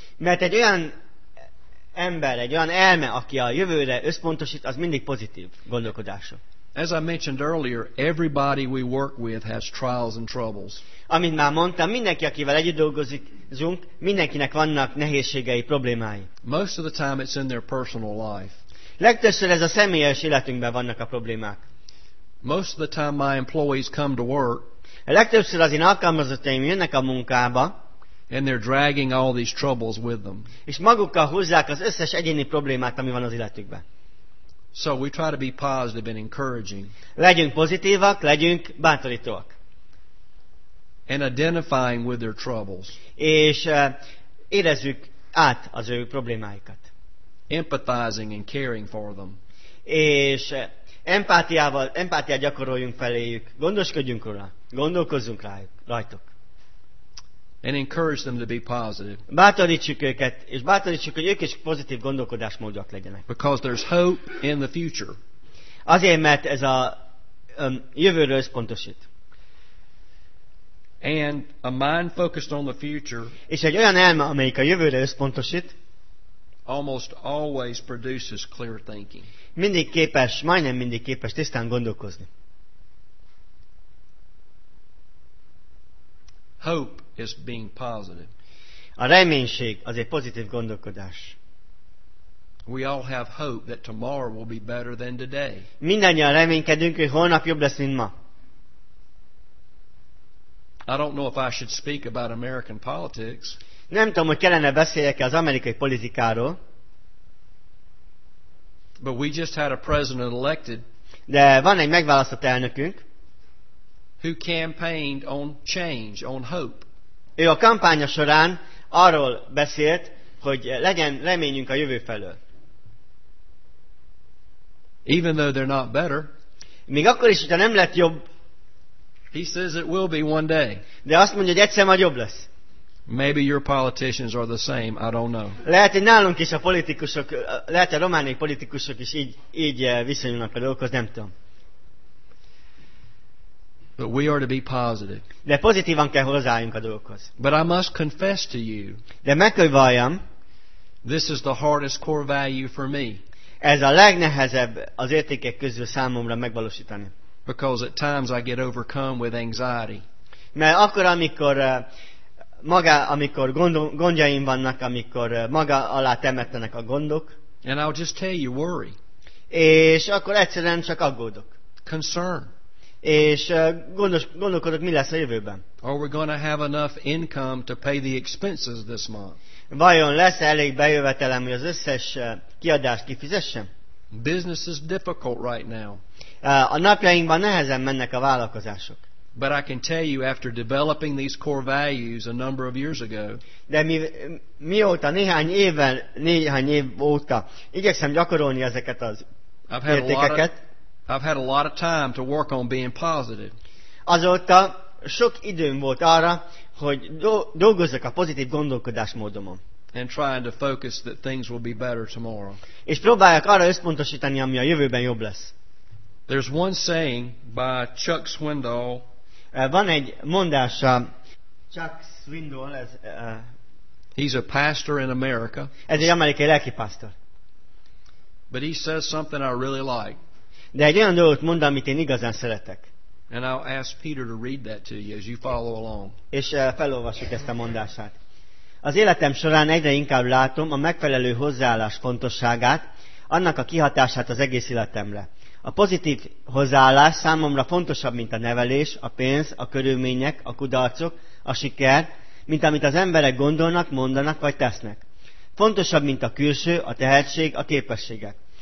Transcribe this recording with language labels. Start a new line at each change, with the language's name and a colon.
Hungarian: Mert egy olyan ember, egy olyan elme, aki a jövőre összpontosít, az mindig pozitív gondolkodása.
English: As I mentioned earlier, everybody we work with has trials and troubles.
Hungarian: Amint már mondtam, mindenki, akivel együtt dolgozunk, mindenkinek vannak nehézségei, problémái.
English: Most of the time it's in their personal life.
Hungarian: Legtöbbször ez a személyes életünkben vannak a problémák.
English: Most of the time my employees come to work.
Hungarian: Legtöbbször az én alkalmazottaim jönnek a munkába.
English: And they're dragging all these troubles with them.
Hungarian: És magukkal hozzák az összes egyéni problémát, ami van az életükben.
English: So we try to be positive and encouraging.
Hungarian: Legyünk pozitívak, legyünk bátorítóak.
English: And identifying with their troubles.
Hungarian: És érezzük át az ő problémáikat.
English: Empathizing and caring for them.
Hungarian: És empátiát gyakoroljunk feléjük, gondoskodjunk róla, gondolkozzunk rajtuk.
English: And encourage them to be positive.
Hungarian: Bátorítsuk őket, és bátorítsuk, hogy ők is pozitív gondolkodásmódok legyenek.
English: Because there's hope in the future.
Hungarian: Azért, mert ez a jövőről összpontosít.
English: And a mind focused on the future.
Hungarian: És egy olyan elme, amelyik a jövőre összpontosít.
English: Almost always produces clear thinking.
Hungarian: Mindig képes, majdnem mindig képes tisztán gondolkozni.
English: Hope is being positive.
Hungarian: A reménység az egy pozitív gondolkodás.
English: We all have hope that tomorrow will be better than today.
Hungarian: Mindannyian reménykedünk, hogy holnap jobb lesz, mint ma.
English: I don't know if I should speak about American politics.
Hungarian: Nem tudom, hogy kellene beszéljek-e az amerikai politikáról.
English: But we just had a president elected.
Hungarian: De van egy megválasztott elnökünk.
English: Who campaigned on change, on hope.
Hungarian: Ő a kampánya során arról beszélt, hogy legyen reményünk a jövő felől.
English: Even though they're not better.
Hungarian: Még akkor is, hogyha nem lett jobb.
English: He says it will be one day.
Hungarian: De azt mondja, hogy egyszer majd jobb lesz.
English: Maybe your politicians are the same. I don't know.
Hungarian: Lehet, hogy nálunk is a politikusok, lehet, hogy a romániai politikusok is így viszonyulnak a dolgokhoz, nem tudom.
English: But we are to be positive.
Hungarian: De pozitívan kell hozzáálljunk a dolgokhoz.
English: But I must confess to you.
Hungarian: De meg kell valljam.
English: This is the hardest core value for me.
Hungarian: Ez a legnehezebb az értékek közül számomra megvalósítani.
English: Because at times I get overcome with anxiety.
Hungarian: Mert akkor, amikor amikor gondjaim vannak, amikor maga alá temetlenek a gondok.
English: And I'll just tell you, worry.
Hungarian: És akkor egyszerűen csak aggódok.
English: Concern.
Hungarian: És gondolkodok, mi lesz a jövőben.
English: Are we gonna have enough income to pay the expenses this month?
Hungarian: Vajon lesz elég bejövetelem, hogy az összes kiadást kifizessem?
English: Business is difficult right now.
Hungarian: A napjainkban nehezen mennek a vállalkozások.
English: But I can tell you, after developing these core values a number of years ago,
Hungarian: de mióta néhány év óta igyekszem gyakorolni ezeket az értékeket.
English: I've had a lot of time to work on being positive.
Hungarian: Azóta sok időm volt arra, hogy dolgozzak a pozitív gondolkodásmódomon.
English: And trying to focus that things will be better tomorrow.
Hungarian: És próbáljak arra összpontosítani, ami a jövőben jobb lesz.
English: There's one saying by Chuck Swindoll.
Hungarian: Van egy mondása Chuck Swindoll, ez
English: he's a pastor in America.
Hungarian: Ez egy amerikai lelkipásztor.
English: But he says something I really like.
Hungarian: De egy olyan dolgot mond, amit én igazán szeretek.
English: And I'll ask Peter to read that to you as you follow along.
Hungarian: És felolvassuk ezt a mondását. Az életem során egyre inkább látom a megfelelő hozzáállás fontosságát, annak a kihatását az egész életemre. A pozitív hozzáállás számomra fontosabb, mint a nevelés, a pénz, a körülmények, a kudarcok, a siker, mint amit az emberek gondolnak, mondanak vagy tesznek. Fontosabb, mint a külső, a tehetség, a képességek.